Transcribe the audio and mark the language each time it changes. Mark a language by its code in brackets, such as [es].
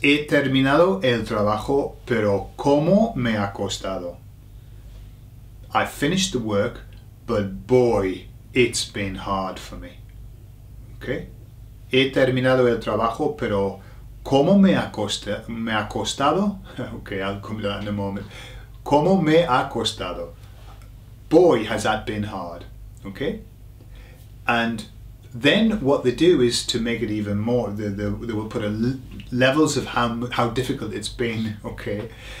[es] He terminado el trabajo, pero ¿cómo me ha costado? [en] I finished the work, but boy, it's been hard for me. Okay? [es] He terminado el trabajo, pero ¿cómo me ha costado? [en] Okay, I'll come to that in a moment. [es] ¿Cómo me ha costado? [en] Boy, has that been hard. Okay? And then what they do is to make it even more, they will put a levels of how difficult it's been, okay?